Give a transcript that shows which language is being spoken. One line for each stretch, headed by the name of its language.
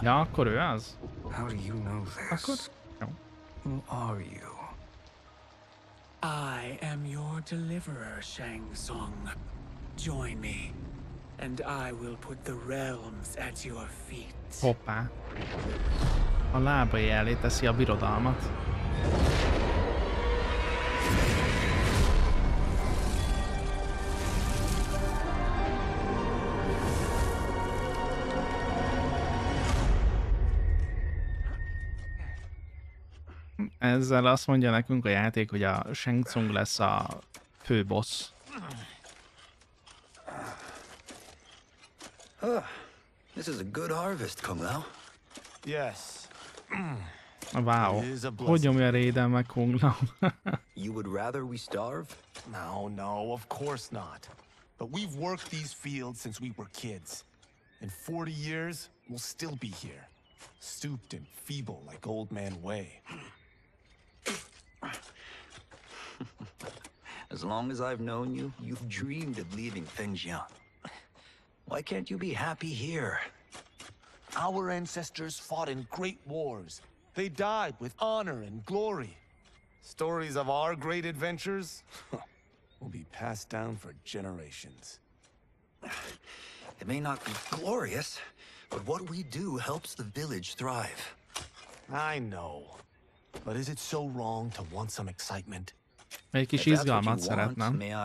Hungarian: Ja, akkor ő az.
English: How do you know this?
Hungarian: Akkor? Jó.
English: Who are you? I am your deliverer, Shang Tsung. Join me, and I will put the realms at your feet.
Hungarian: Hoppá. A lábai elé teszi a birodalmat. Ezzel azt mondja nekünk a játék, hogy a Shang Tsung lesz a fő boss.
English: This is a good harvest, Kung Lao. Yes. Wow.
Hungarian: Hogy nyomja Raiden meg Kung Lao?
English: You would rather we starve? No, no, of course not. But we've worked these fields since we were kids. In 40 years, we'll still be here. Stooped and feeble like old man Wei. As long as I've known you, you've dreamed of leaving Fengjian. Why can't you be happy here? Our ancestors fought in great wars. They died with honor and glory. Stories of our great adventures will be passed down for generations. It may not be glorious, but what we do helps the village thrive. I know. But is it so wrong to want some excitement?
Hungarian: Egy kis izgalmat szeretném.